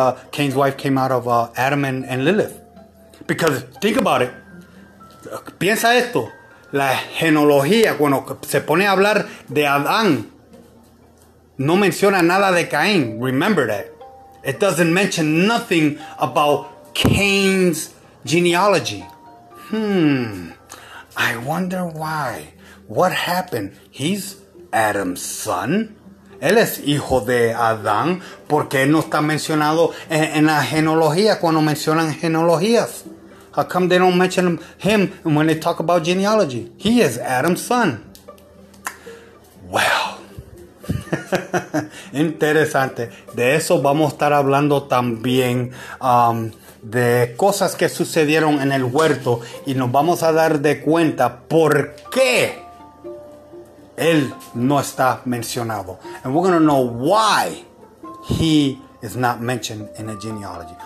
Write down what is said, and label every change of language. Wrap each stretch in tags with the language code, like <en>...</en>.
<en>Cain's wife came out of Adam and Lilith. Because think about it.</en> <es>Piensa esto. La genealogía, cuando se pone a hablar de Adán, no menciona nada de Caín.</es> <en>Remember that. It doesn't mention nothing about Cain's genealogy. I wonder why. What happened? He's Adam's son.</en> <es>Él es hijo de Adán. ¿Por qué no está mencionado en la genealogía cuando mencionan genealogías?</es> <en>How come they don't mention him when they talk about genealogy? He is Adam's son. Well.</en> <es>Interesante. De eso vamos a estar hablando también, de cosas que sucedieron en el huerto, y nos vamos a dar de cuenta por qué él no está mencionado.</es> <en>And we're gonna know why he is not mentioned in the genealogy.</en>